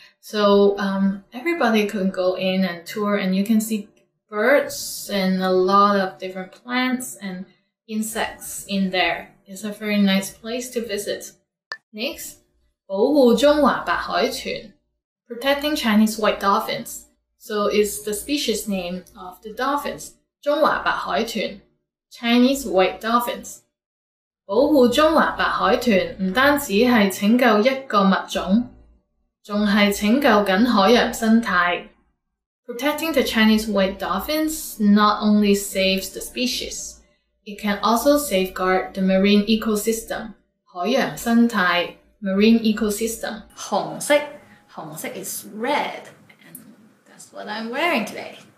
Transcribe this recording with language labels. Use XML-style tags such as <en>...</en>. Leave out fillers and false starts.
<en>So everybody can go in and tour, and you can see birds and a lot of different plants and insects in there. It's a very nice place to visit. Next,</en> <yue>保護中華白海豚,</yue> <en>protecting Chinese white dolphins. So it's the species name of the dolphins. 中華白海豚, Chinese white dolphins.</en> <yue>保護中華白海豚不單止是拯救一個物種,還是拯救海洋生態.</yue> <en>Protecting the Chinese white dolphins not only saves the species, it can also safeguard the marine ecosystem. 海洋生態, marine ecosystem. 紅色 is red, and that's what I'm wearing today.</en>